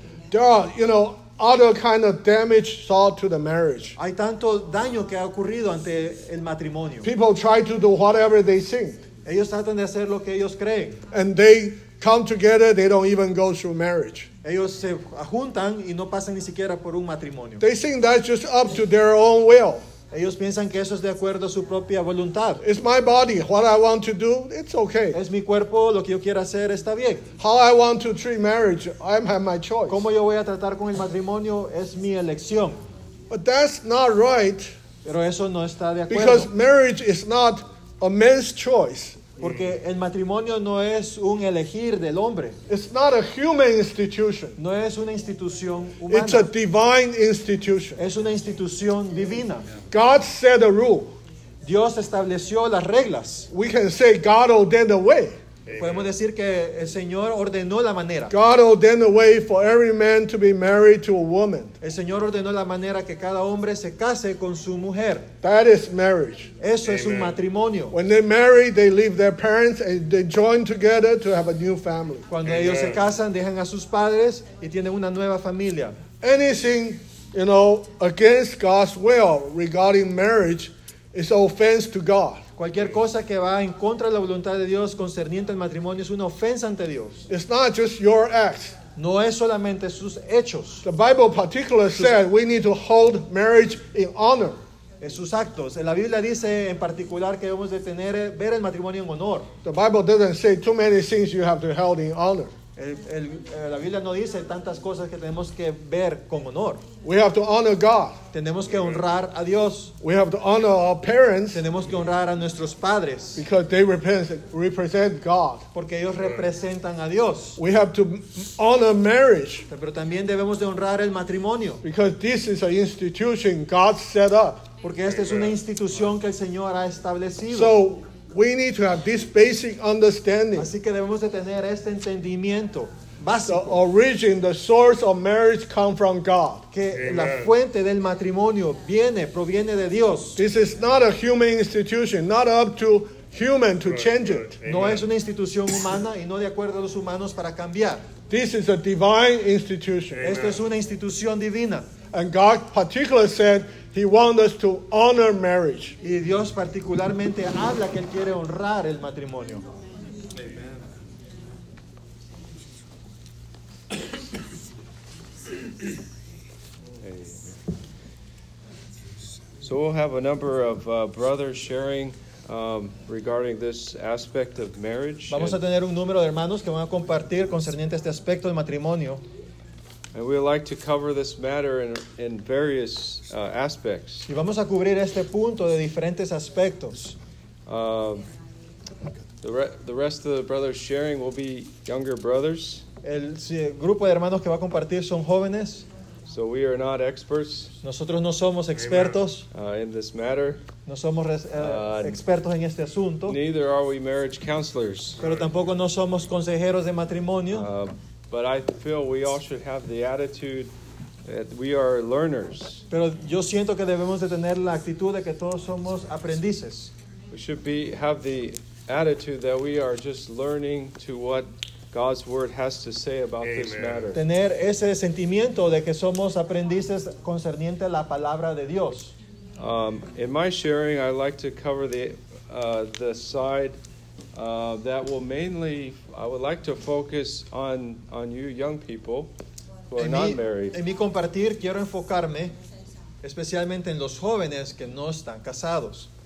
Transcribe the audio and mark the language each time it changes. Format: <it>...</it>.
<en>There are, you know, other kind of damage thought to the marriage.</en> <es>Hay tanto daño que ha ocurrido ante el matrimonio.</es> <en>People try to do whatever they think.</en> <es>Ellos tratan de hacer lo que ellos creen.</es> <en>And they come together, they don't even go through marriage.</en> <es>Ellos se juntan y no pasan ni siquiera por un matrimonio.</es> <en>They think that's just up to their own will.</en> <es>Ellos piensan que eso es de acuerdo a su propia voluntad.</es> <en>It's my body, what I want to do, it's okay.</en> <es>Es mi cuerpo, lo que yo quiera hacer está bien.</es> <en>How I want to treat marriage, I have my choice.</en> <es>Cómo yo voy a tratar con el matrimonio es mi elección.</es> <en>But that's not right.</en> <es>Pero eso no está de acuerdo.</es> <en>Because marriage is not a man's choice.</en> <es>Porque el matrimonio no es un elegir del hombre.</es> <en>It's not a human institution.</en> <es>No es una institución humana.</es> <en>It's a divine institution.</en> <es>Es una institución divina.</es> <en>God set a rule.</en> <es>Dios estableció las reglas.</es> <en>We can say God ordained the way.</en> <es>Podemos decir que el Señor ordenó la manera.</es> <en>God ordained the way for every man to be married to a woman.</en> <es>El Señor ordenó la manera que cada hombre se case con su mujer.</es> <en>That is marriage.</en> <es>Eso es un matrimonio.</es> <en>When they marry, they leave their parents and they join together to have a new family.</en> <es>Cuando ellos se casan, dejan a sus padres y tienen una nueva familia.</es> <en>Anything, you know, against God's will regarding marriage is offense to God.</en> <es>Cualquier cosa que va en contra de la voluntad de Dios concerniente al matrimonio es una ofensa ante Dios.</es> <en>It's not just your acts.</en> <es>No es solamente sus hechos.</es> <en>The Bible particularly said we need to hold marriage in honor.</en> <es>En sus actos. La Biblia dice en particular que debemos de tener, ver el matrimonio en honor.</es> <en>The Bible doesn't say too many things you have to hold in honor.</en> <es>La Biblia no dice tantas cosas que tenemos que ver con honor.</es> <en>We have to honor God.</en> <es>Tenemos que honrar a Dios.</es> <en>We have to honor our parents.</en> <es>Tenemos que honrar a nuestros padres.</es> <en>Because they represent God.</en> <es>Porque ellos representan a Dios.</es> <en>We have to honor marriage.</en> <es>Pero también debemos de honrar el matrimonio.</es> <en>Because this is an institution God set up.</en> <es>Porque esta es una institución que el Señor ha establecido.</es> <en>So, we need to have this basic understanding.</en> <es>Así que debemos de tener este entendimiento básico.</es> <en>The origin, the source of marriage come from God.</en> <es>Que Amen. La fuente del matrimonio proviene de Dios.</es> <en>This is not a human institution, not up to human to change it.</en> <es>No es una institución humana y no de acuerdo a los humanos para cambiar.</es> <en>This is a divine institution.</en> <es>Esto es una institución divina.</es> <en>And God particularly said He wants us to honor marriage.</en> <es>Y Dios particularmente habla que él quiere honrar el matrimonio.</es> <en>So we'll have a number of brothers sharing regarding this aspect of marriage.</en> <es>Vamos a tener un número de hermanos que van a compartir concerniente este aspecto del matrimonio.</es> <en>And we'd like to cover this matter in various aspects.</en> <es>Y vamos a cubrir este punto de diferentes aspectos.</es> <en>The rest of the brothers sharing will be younger brothers.</en> <es>El grupo de hermanos que va a compartir son jóvenes.</es> <en>So we are not experts.</en> <es>Nosotros no somos expertos.</es> <en>In this matter.</en> <es>No somos expertos en este asunto.</es> <en>Neither are we marriage counselors.</en> <es>Pero tampoco no somos consejeros de matrimonio.</es> <en>But I feel we all should have the attitude that we are learners.</en> <es>Pero yo siento que debemos de tener la actitud de que todos somos aprendices.</es> <en>We should have the attitude that we are just learning to what God's word has to say about this matter.</en> <es>Tener ese sentimiento de que somos aprendices concerniente la palabra de Dios.</es> <en>In my sharing, I'd like to cover the side that will mainly, I would like to focus on you young people who are not married.</en> <es>En mi compartir, quiero enfocarme especialmente en los jóvenes que no están casados.</es>